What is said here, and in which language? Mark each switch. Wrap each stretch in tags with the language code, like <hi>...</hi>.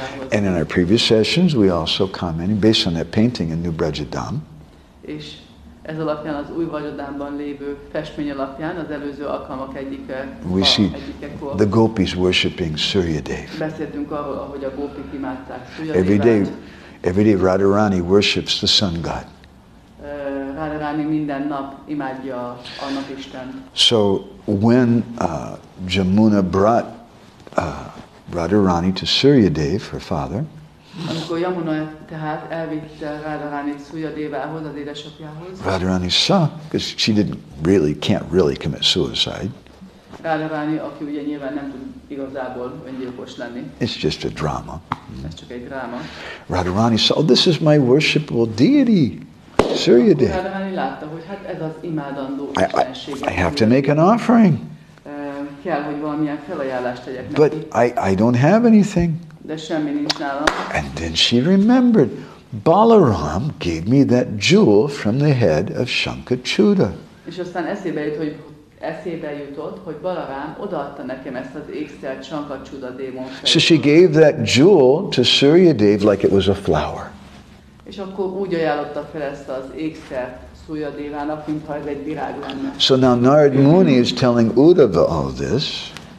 <en>And in our previous sessions, we also commented based on that painting in New Brajadam.</en> <hu>És ez alapján az új Brajadamban lévő festmény alapján az előző alkalmak egyike.</hu> <en>We see the gopis worshiping Suryadev.</en> <hu>Beszéltünk arról, ahogy a gopik imádták</hu> <en>Suryadevát. Every day Radharani worships the sun god.</en> <hu>Radharani minden nap imádja a napisten.</hu> <en>So when Jamuna brought Radharani to Suryadev, her father.</en> <hu>Amikor Jamuna tehát elvitte Radharani Suryadevához, az édesapjához.</hu> <en>Radharani saw, because she can't really commit suicide.</en> <hu>Radharani, aki ugye nyilván nem tud igazából öngyilkos lenni.</hu> <en>It's just a drama.</en> <hu>Ez csak egy dráma.</hu> <en>Radharani saw, this is my worshipable deity. Suryadev.</en> <hu>Radharani látta, hogy hát ez az imádandó istenség.</hu> <en>I have to make an offering.</en> <hu>Kell, hogy valamilyen felajánlást tegyek neki.</hu> <en>But I don't have anything.</en> <hu>De semmi nincs nálam.</hu> <en>And then she remembered. Balaram gave me that jewel from the head of Shankachuda.</en> <hu>És aztán eszébe jutott, hogy Balaram odaadta nekem ezt az ékszert Shankachuda démon fejét.</hu> <en>So she gave that jewel to Suryadev like it was a flower.</en> <hu>És akkor úgy ajánlotta fel ezt az ékszert Suryadevának, mintha ez egy virág lenne.</hu> <en>So now Narad Muni is telling Uddhava all this.</en>